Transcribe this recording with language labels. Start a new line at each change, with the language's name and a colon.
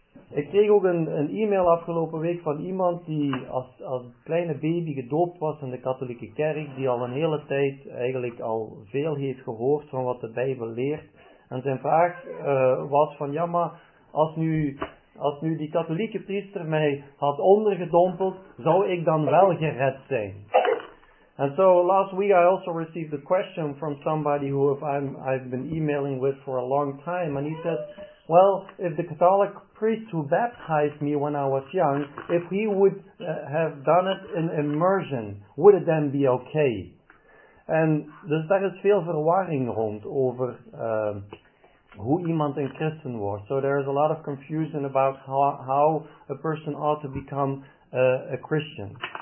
Dutch: Ik kreeg ook een e-mail afgelopen week van iemand die als kleine baby gedoopt was in de katholieke kerk, die al een hele tijd eigenlijk al veel heeft gehoord van wat de Bijbel leert. En zijn vraag was van, ja maar, als nu die katholieke priester mij had ondergedompeld, zou ik dan wel gered zijn?
English: And so last week I also received a question from somebody who I've been emailing with for a long time, and he said, well, if the Catholic priest who baptized me when I was young, if he would have done it in immersion, would it then be okay?
Dutch: And dus daar is veel verwarring rond over hoe iemand een christen wordt.
English: So there is a lot of confusion about how a person ought to become a Christian.